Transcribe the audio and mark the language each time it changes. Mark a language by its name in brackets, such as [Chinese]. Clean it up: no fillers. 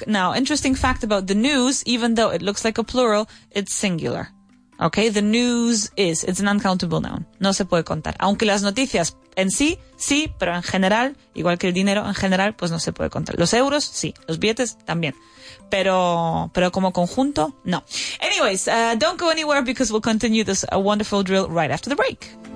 [English] Now, interesting fact about the news, even though it looks like a plural, it's singular. Okay? The news is. It's an uncountable noun. [Spanish] No se puede contar. Aunque las noticias en sí, sí, pero en general, igual que el dinero en general, pues no se puede contar. Los euros, sí. Los billetes, también. Pero como conjunto, no. [English] Anyways, don't go anywhere, because we'll continue this wonderful drill right after the break.